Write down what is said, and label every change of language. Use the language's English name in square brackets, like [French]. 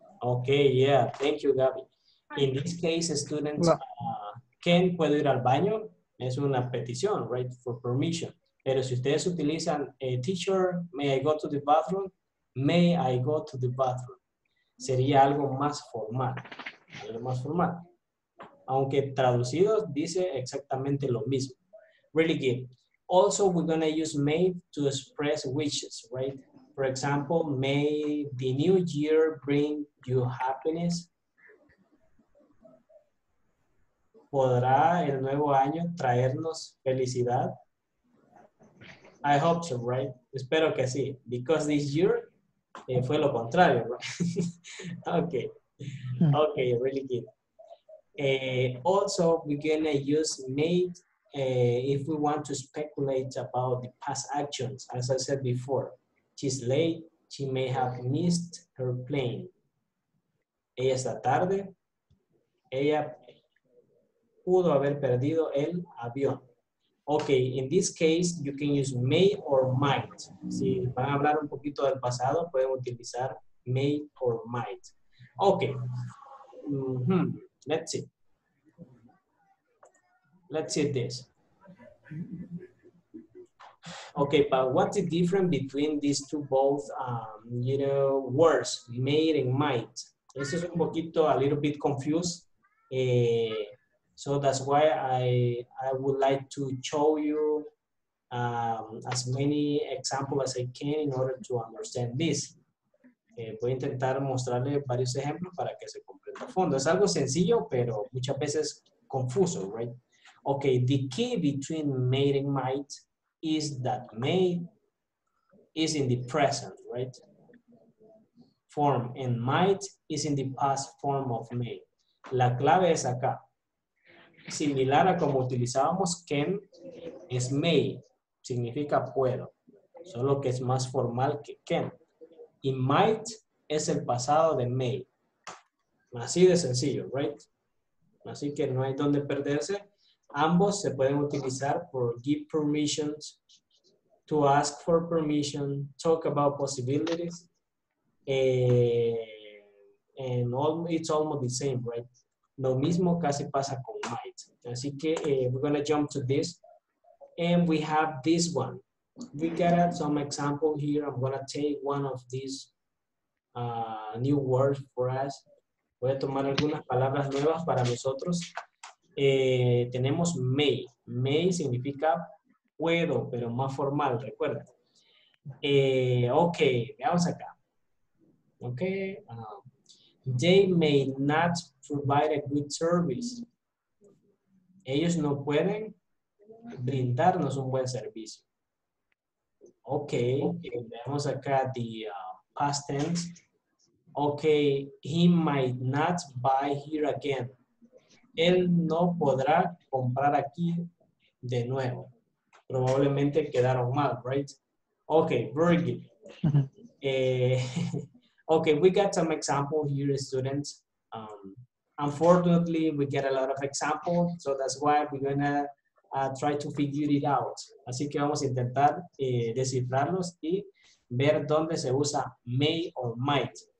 [English] Okay, yeah, thank you, Gabby. In this case, students, can [Spanish] puedo ir al baño, es una petición, [English] right, for permission. [Spanish] Pero si ustedes utilizan teacher, [English] may I go to the bathroom? May I go to the bathroom? [Spanish] Sería algo más formal. Algo más formal. Aunque traducido dice exactamente lo mismo. [English] really good. Also, we're gonna use may to express wishes, right? For example, may the new year bring you happiness. [Spanish] ¿Podrá el nuevo año traernos felicidad? [English] I hope so, right? [Spanish] Espero que sí, [English] because this year [Spanish] fue lo contrario, right? Okay. [English] Okay, really good. Also, we're gonna use made if we want to speculate about the past actions. As I said before, she's late, she may have missed her plane. [Spanish] Ella está tarde, ella pudo haber perdido el avión. [English] Okay, in this case, you can use may or might. [Spanish] Si van a hablar un poquito del pasado, pueden utilizar may or might. [English] Okay, let's see. Let's see this. Okay, but what's the difference between these two both, you know, words, made and might? This is [Spanish] un poquito, [English] a little bit confused. So that's why I would like to show you as many examples as I can in order to understand this. [Spanish] Voy a intentar mostrarle varios ejemplos para que se comprenda a fondo. Es algo sencillo, pero muchas veces confuso, right? [English] Okay, the key between made and might is that made is in the present, right? Form, and might is in the past form of made. [Spanish] La clave es acá. Similar a como utilizábamos can, es may, significa puedo, solo que es más formal que can. Y might es el pasado de may. Así de sencillo, right? Así que no hay donde perderse. Ambos se pueden utilizar por [English] give permissions, to ask for permission, talk about possibilities, and all, it's almost the same, right? [Spanish] Lo mismo casi pasa con might. Así que [English] we're gonna jump to this. And we have this one. We got some example here. I'm gonna take one of these new words for us. [Spanish] Voy a tomar algunas palabras nuevas para nosotros. Tenemos may. May significa puedo, pero más formal, recuerda. [English] Okay, [Spanish] veamos acá. [English] Okay. They may not provide a good service. [Spanish] Ellos no pueden brindarnos un buen servicio. [English] Okay, [Spanish] veamos acá [English] the past tense. Okay, he might not buy here again. [Spanish] Él no podrá comprar aquí de nuevo. Probablemente quedaron mal, [English] right? Okay, very good. Okay, we got some examples here, students. Unfortunately, we get a lot of examples, so that's why we're gonna try to figure it out. [Spanish] Así que vamos a intentar descifrarlos y ver dónde se usa may or might.